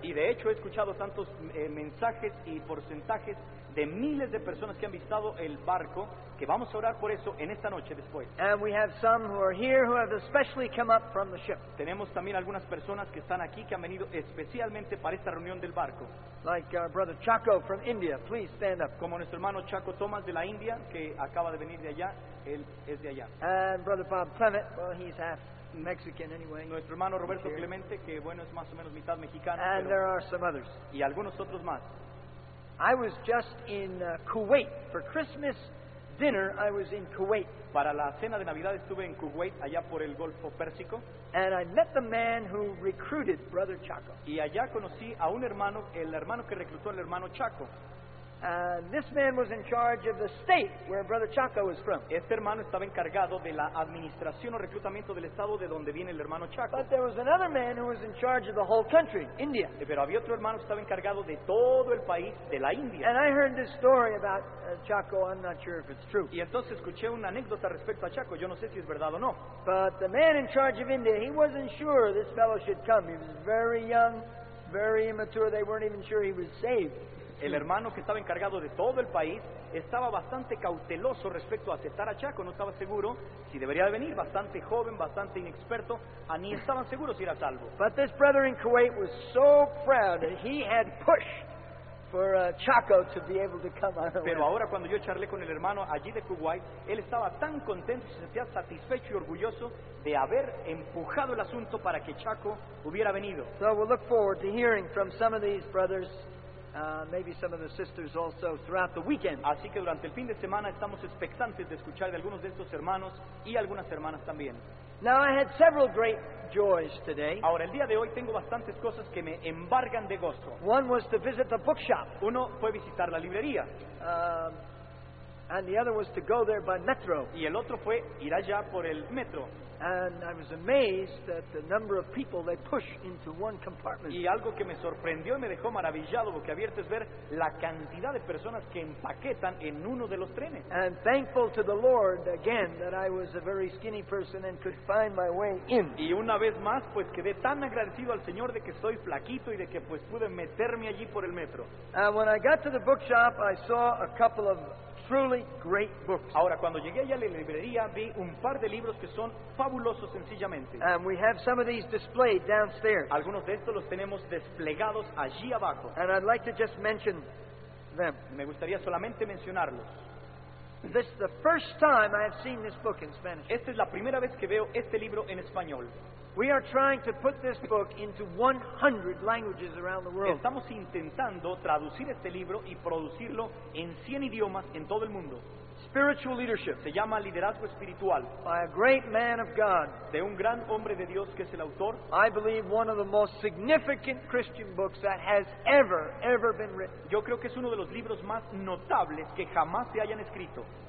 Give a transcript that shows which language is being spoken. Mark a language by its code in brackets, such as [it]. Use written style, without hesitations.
[es] Y de hecho he escuchado tantos mensajes y porcentajes de miles de personas que han visitado el barco que vamos a orar por eso en esta noche después. [en] And we have some who are here who have especially come up from the ship. [es] Tenemos también algunas personas que están aquí que han venido especialmente para esta reunión del barco. [en] Like our brother Chaco from India, please stand up. [es] Como nuestro hermano Chaco Thomas de la India que acaba de venir de allá, él es de allá. [en] And brother Bob Clement, well, he's half Mexican anyway. [es] Nuestro hermano Roberto Clemente, que bueno, es más o menos mitad mexicano. [en] And there are some others. [es] Y algunos otros más. [en] I was just in Kuwait for Christmas dinner. I was in Kuwait. [es] Para la cena de Navidad estuve en Kuwait, allá por el Golfo Pérsico. [en] And I met the man who recruited Brother Chaco. [es] Y allá conocí a un hermano, el hermano que reclutó al hermano Chaco. [en] This man was in charge of the state where Brother Chaco was from. [es] Este hermano estaba encargado de la administración o reclutamiento del estado de donde viene el hermano Chaco. [en] But there was another man who was in charge of the whole country, India. [es] Pero había otro hermano que estaba encargado de todo el país, de la India. [en] And I heard this story about Chaco. I'm not sure if it's true. [es] Y entonces escuché una anécdota respecto a Chaco. Yo no sé si es verdad o no. [en] But the man in charge of India, he wasn't sure this fellow should come. He was very young, very immature. They weren't even sure he was saved. [es] El hermano que estaba encargado de todo el país estaba bastante cauteloso respecto a aceptar a Chaco. No estaba seguro si debería de venir, bastante joven, bastante inexperto, ni estaban seguros si era salvo. [en] But this brother in Kuwait was so proud that he had pushed for Chaco to be able to come out. [es] Pero ahora cuando yo charlé con el hermano allí de Kuwait, él estaba tan contento, se sentía satisfecho y orgulloso de haber empujado el asunto para que Chaco hubiera venido. [en] So we'll look forward to hearing from some of these brothers, maybe some of the sisters also throughout the weekend. [es] Así que durante el fin de semana estamos expectantes de escuchar de algunos de estos hermanos y algunas hermanas también. [en] Now I had several great joys today. [es] Ahora el día de hoy tengo bastantes cosas que me embargan de gozo. [en] One was to visit the bookshop. [es] Uno fue visitar la librería. [en] And the other was to go there by metro. [es] Y el otro fue ir allá por el metro. [en] And I was amazed at the number of people they push into one compartment. [es] Y algo que me sorprendió y me dejó maravillado, porque abierto, es ver la cantidad de personas que empaquetan en uno de los trenes. [en] And thankful to the Lord again that I was a very skinny person and could find my way in. [es] Y una vez más, pues quedé tan agradecido al Señor de que soy flaquito y de que pues pude meterme allí por el metro. [en] And when I got to the bookshop, I saw a couple of truly great books. [es] Ahora cuando llegué allá a la librería vi un par de libros que son fabulosos sencillamente. [en] And we have some of these displayed downstairs. [es] Algunos de estos los tenemos desplegados allí abajo. [en] And I'd like to just mention them. [es] Me gustaría solamente mencionarlos. [en] This is the first time I have seen this book in Spanish. [es] Esta es la primera vez que veo este libro en español. [en] We are trying to put this book into 100 languages around the world. [es] Estamos intentando traducir este libro y producirlo en 100 idiomas en todo el mundo. [en] Spiritual leadership. [es] Se llama liderazgo espiritual. [en] By a great man of God. [es] De un gran hombre de Dios que es el autor. [en] I believe one of the most significant Christian books that has ever been written. [es] Yo creo que es uno de los libros más notables que jamás se hayan escrito.